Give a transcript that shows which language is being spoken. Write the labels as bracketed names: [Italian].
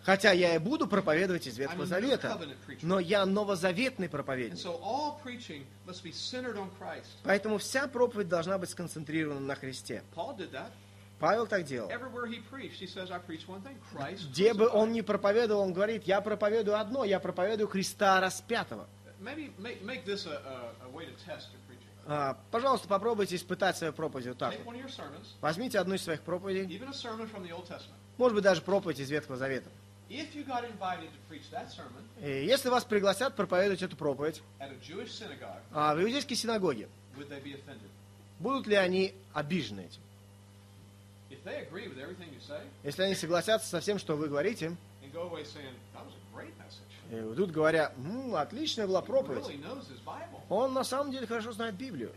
[Russian] Хотя я и буду проповедовать из Ветхого Завета. Но я новозаветный проповедник. [English] And so all preaching must be centered on Christ. [Russian] Поэтому вся проповедь должна быть сконцентрирована на Христе. [English] Paul did that. [Russian] Павел так делал. [English] Everywhere he preached, he says, I preach one thing, Christ. [Russian] Где бы он ни проповедовал, он говорит, я проповедую одно, я проповедую Христа распятого. [English] Make this a way to test your preaching. [Russian] Пожалуйста, попробуйте испытать свою проповедь вот так. [English] Take one of your sermons. [Russian] Возьмите одну из своих проповедей. [English] Even a sermon from the Old Testament. [Russian] Может быть, даже проповедь из Ветхого Завета. [English] If you got invited to preach that sermon, [Russian] если вас пригласят проповедовать эту проповедь [English] at a Jewish synagogue, [Russian] в иудейской синагоге, [English] would they be offended? [Russian] Будут ли они обижены этим? [English] If they agree with everything you say, [Russian] если они согласятся со всем, что вы говорите, [English] and go away saying, that was a great message. [Russian] И уйдут, говоря, отличная была проповедь. [English] He really knows his Bible. [Russian] Он на самом деле хорошо знает Библию.